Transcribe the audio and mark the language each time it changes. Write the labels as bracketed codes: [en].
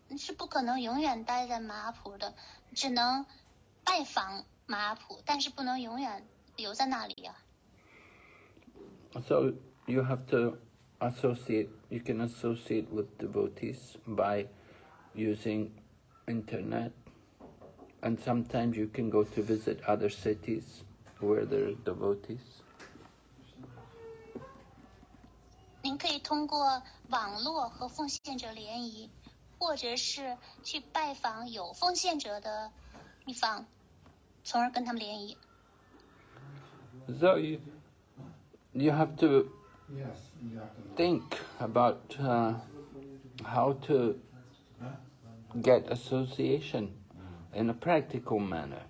[zh] 你是不可能永远待在马普的，只能拜访马普，但是不能永远留在那里呀、 [en] 啊。So you have to associate. You can associate with devotees by using internet, and sometimes you can go to visit other cities where there are devotees. [zh] 您可以通过。网络和奉献者联谊，或者是去拜访有奉献者的地方，从而跟他们联谊。 [en] So you have to think about how to get association in a practical manner.